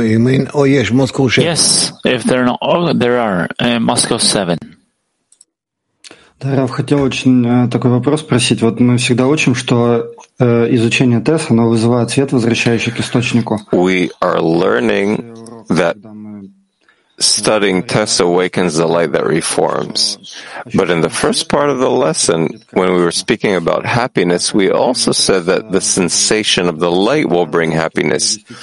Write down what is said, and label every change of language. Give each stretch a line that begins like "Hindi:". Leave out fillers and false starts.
English: Yes, if there are not all, there are Moscow 7.
Russian: Да, Рав, хотел очень такой вопрос спросить. Вот мы всегда учим, что изучение ТЭС, оно вызывает свет, возвращающий к источнику.
English: We are learning that studying TESS awakens the light that reforms. But in the first part of the lesson, when we were speaking about happiness, we also said that the sensation of the light will bring happiness.